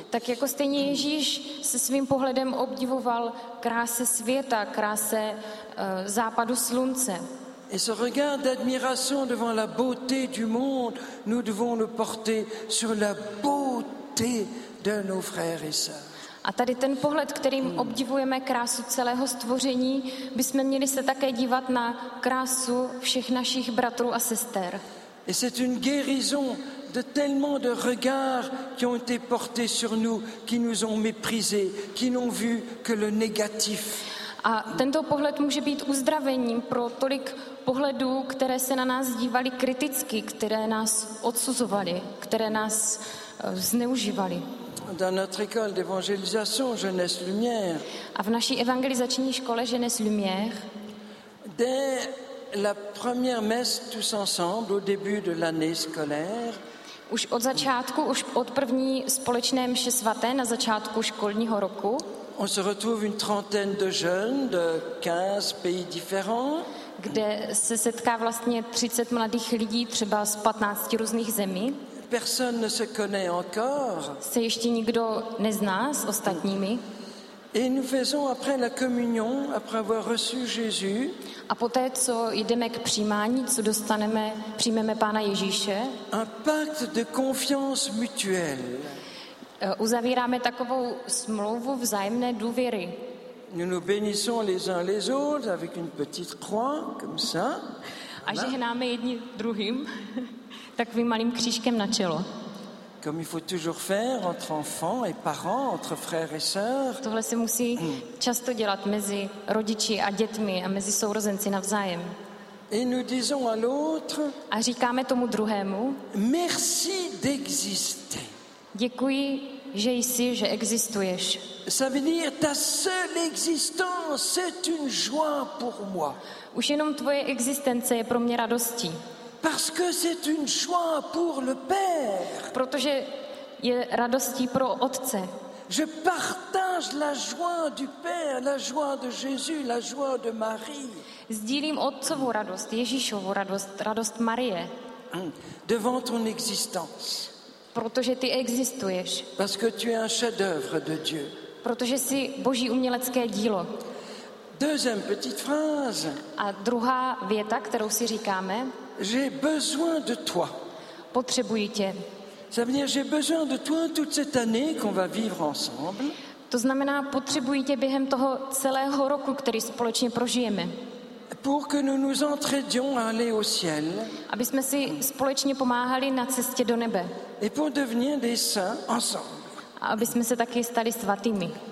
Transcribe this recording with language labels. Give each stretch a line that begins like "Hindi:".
Czech: Tak jako stejně Ježíš se svým pohledem obdivoval krásy světa, krásy západu slunce.
French: Et ce regard d'admiration devant la beauté du monde, nous devons le porter sur la beauté de nos frères et sœurs.
Czech: A tady ten pohled, kterým obdivujeme krásu celého stvoření, bychom měli se také dívat na krásu všech našich bratrů a sester.
French: Et c'est une guérison de tellement de regards qui ont été portés sur nous, qui nous ont méprisés, qui n'ont vu que le négatif.
Czech: A tento pohled může být uzdravením pro tolik pohledů, které se na nás dívali kriticky, které nás odsuzovali, které nás zneužívali.
French: Dans notre école d'évangélisation Jeunesse Lumière.
Czech: A v naší evangelizační škole Jeunesse Lumière.
French: Dès la première messe tous ensemble au début de l'année scolaire.
Czech: Už od začátku, už od první společné mše svaté na začátku školního roku.
French: On se retrouve une trentaine de jeunes de 15 pays différents.
Czech: Kde se setká vlastně 30 mladých lidí třeba z 15 různých zemí.
French: Personne ne se connaît encore.
Czech: Se ještě nikdo nezná s ostatními.
French: Et nous faisons après la communion, après avoir reçu Jésus.
Czech: A poté, co jdeme k přijímání, co dostaneme, přijmeme Pána Ježíše.
French: Un pacte de confiance mutuelle.
Czech: Uzavíráme takovou smlouvu vzájemné důvěry.
French: Nous nous bénissons les uns les autres avec une petite croix, comme ça.
Czech: A žehnáme jedni druhým. Takovým malým křížkem na čelo.
French: Comme il faut toujours faire entre enfants et parents, entre frères et sœurs.
Czech: Tohle se musí často dělat mezi rodiči a dětmi a mezi sourozenci navzájem.
French: Et nous disons à l'autre.
Czech: A říkáme tomu druhému.
French: Merci d'exister.
Czech: Děkuji, že jsi, že existuješ.
French: Ça veut dire ta seule existence, c'est une joie pour moi.
Czech: Už jenom tvoje existence je pro mě radostí.
French: Parce que c'est une joie pour le Père.
Czech: Protože je radostí pro Otce.
French: Je partage la joie du Père, la joie de Jésus, la joie de Marie.
Czech: Sdílím Otcovu radost, Ježíšovu radost, radost Marie.
French: Devant ton existence.
Czech: Protože ty existuješ.
French: Parce que tu es un chef-d'œuvre de Dieu.
Czech: Protože jsi Boží umělecké dílo.
French: Deuxième petite phrase.
Czech: A druhá věta, kterou si říkáme.
French: J'ai besoin de toi.
Czech: Potřebuji tě.
French: Ça veut dire j'ai besoin de toi toute cette année qu'on va vivre ensemble.
Czech: To znamená, potřebuji tě během toho celého roku, který společně prožijeme.
French: Pour que nous nous entraidions à aller au ciel.
Czech: Aby jsme si společně pomáhali na cestě do nebe.
French: Et pour devenir des saints ensemble.
Czech: Aby jsme se taky stali svatými.